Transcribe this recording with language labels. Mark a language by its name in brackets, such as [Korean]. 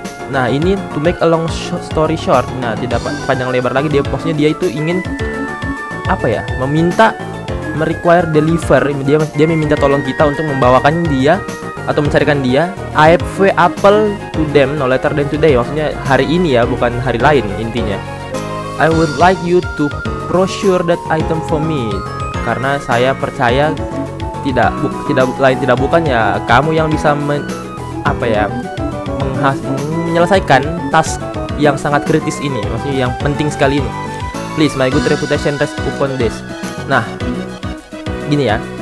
[Indonesian] Nah, ini [English] to make a long story short. [Indonesian] Nah, tidak panjang lebar lagi, dia maksudnya dia itu ingin apa ya? Meminta require deliver. Dia meminta tolong kita untuk membawakan dia atau mencarikan dia AFV apple to them [English] no later than today. [Indonesian] Maksudnya hari ini ya, bukan hari lain intinya. [English] I would like you to procure that item for me. [Indonesian] Karena saya percaya tidak lain tidak bukan ya kamu yang bisa menyelesaikan task yang sangat kritis ini, maksudnya yang penting sekali ini. [English] Please, my good reputation rest upon this. [Indonesian] Nah, gini ya.